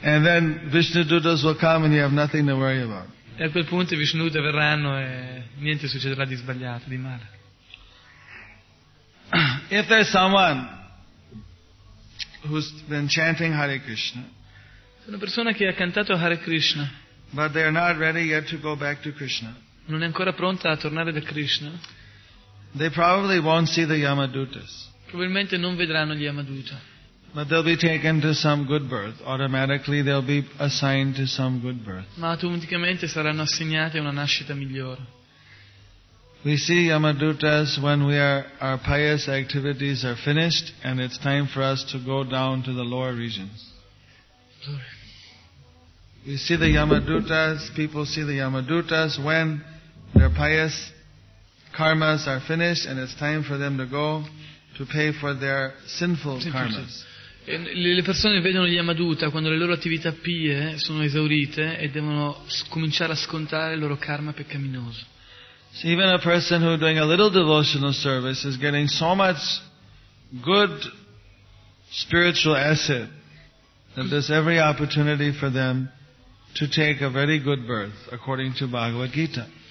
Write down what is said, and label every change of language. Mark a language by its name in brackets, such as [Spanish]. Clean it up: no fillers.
[English] And then Vishnudutas will come and you have nothing to worry about. [Italian] E a quel punto Vishnudutas verranno e niente succederà di sbagliato, di male. [English] If there's someone who's been chanting Hare Krishna, [Italian] una persona che ha cantato Hare Krishna, [English] but they are not ready yet to go back to Krishna, [Italian] non è ancora pronta a tornare da Krishna. [English] They probably won't see the Yamadutas. [Italian] Probabilmente non vedranno gli Yamaduta. [English] But they'll be taken to some good birth. Automatically they'll be assigned to some good birth. [Italian] Ma automaticamente saranno assegnati a una nascita migliore. [English] We see Yamadutas when our pious activities are finished and it's time for us to go down to the lower regions. You see the Yamadutas, people see the Yamadutas when their pious karmas are finished and it's time for them to go to pay for their sinful karmas. [Italian] Le persone vedono gli Yamaduta quando le loro attività pie sono esaurite e devono cominciare a scontare il loro karma peccaminoso. [English] So even a person who is doing a little devotional service is getting so much good spiritual asset that there's every opportunity for them to take a very good birth according to Bhagavad Gita.